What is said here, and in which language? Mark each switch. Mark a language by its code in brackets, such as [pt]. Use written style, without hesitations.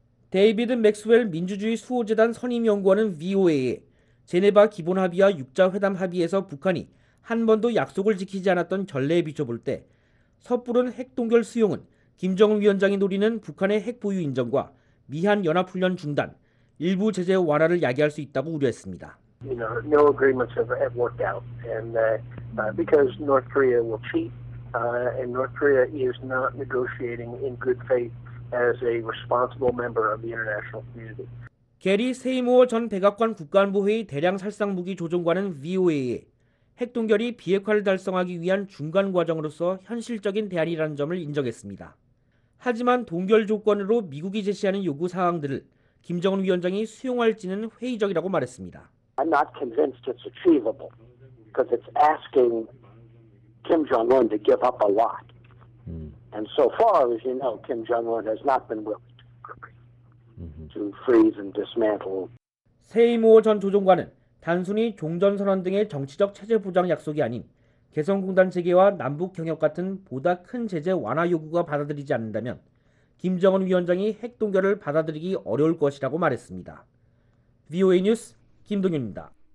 [ko] 데이비드 맥스웰 민주주의 수호재단 선임연구원은 VOA에 제네바 기본합의와 6자회담 합의에서 북한이 한 번도 약속을 지키지 않았던 전례에 비춰볼 때 섣부른 핵 동결 수용은 김정은 위원장이 노리는 북한의 핵 보유 인정과 미한 연합훈련 중단, 일부 제재 완화를 야기할 수 있다고 우려했습니다. [en] No agreements have worked out, and because North Korea will cheat, and North Korea is not negotiating in good faith as a responsible member of the international community. [ko] 게리 세이모어 전 백악관 국가안보회의 대량 살상 무기 조정관은 VOA에 핵 동결이 비핵화를 달성하기 위한 중간 과정으로서 현실적인 대안이라는 점을 인정했습니다. 하지만 동결 조건으로 미국이 제시하는 요구 사항들을 김정은 위원장이 수용할지는 회의적이라고 말했습니다. [en] I'm not convinced it's achievable because it's asking Kim Jong-un to give up a lot. And so far, as you know, Kim Jong-un has not been willing to freeze and dismantle. [ko] 세이모어 전 조정관은 단순히 종전선언 등의 정치적 체제 보장 약속이 아닌 개성공단 재개와 남북 경협 같은 보다 큰 제재 완화 요구가 받아들이지 않는다면 김정은 위원장이 핵 동결을 받아들이기 어려울 것이라고 말했습니다. VOA 뉴스 김동윤입니다.